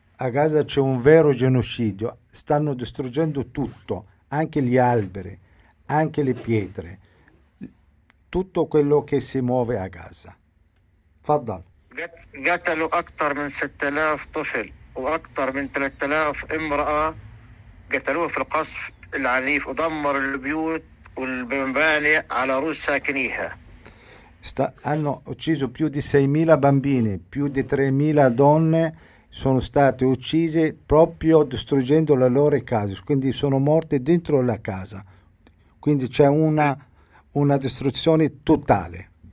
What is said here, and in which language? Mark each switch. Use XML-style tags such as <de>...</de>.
<it>Gaza c'è un vero genocidio. Stanno distruggendo tutto, anche gli alberi, anche le pietre. tutto quello che si muove a Gaza.</it> <ar>Faddal. قتلوا أكثر من 6000 طفل وأكثر من 3000 امرأة قتلوها في القصف العنيف ودمر البيوت والمباني على رؤوس ساكنيها.</ar> <it>Hanno ucciso più di 6.000 bambini, più di 3.000 donne sono state uccise proprio distruggendo le loro case, quindi sono morte dentro la casa. Quindi c'è una distruzione totale.</it>